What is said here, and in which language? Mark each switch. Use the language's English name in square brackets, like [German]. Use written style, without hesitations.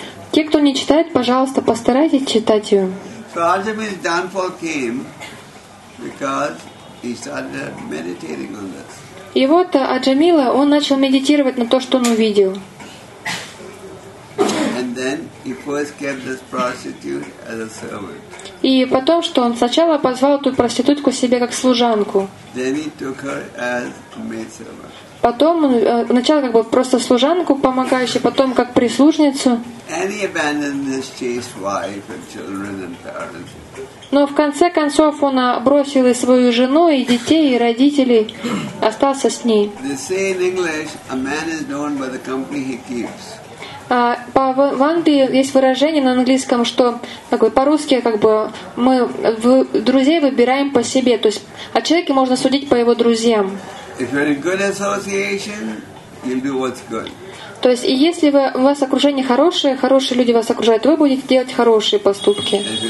[Russian] Те, кто не читает, пожалуйста, постарайтесь читать ее. [English] He started meditating on this. [Russian] И вот Аджамила, он начал медитировать на то, что он увидел. [English] And then he first kept this prostitute as a servant. [Russian] И потом, что он сначала позвал эту проститутку себе как служанку. [English] Then he took her as a maidservant. [Russian] Потом он сначала как бы просто служанку помогающей, потом как прислужницу. [English] And he abandoned his chaste wife and children and parents. [Russian] Но в конце концов он бросил и свою жену, и детей, и родителей, остался с ней. [English] They say in English, a man is known by the company he keeps. [Russian] В Англии есть выражение на английском, что как бы, по-русски как бы мы друзей выбираем по себе, то есть о человеке можно судить по его друзьям. [English] If you're in good association, you do what's good. [Russian] То есть, и если вы, у вас окружение хорошее, хорошие люди вас окружают, вы будете делать хорошие поступки.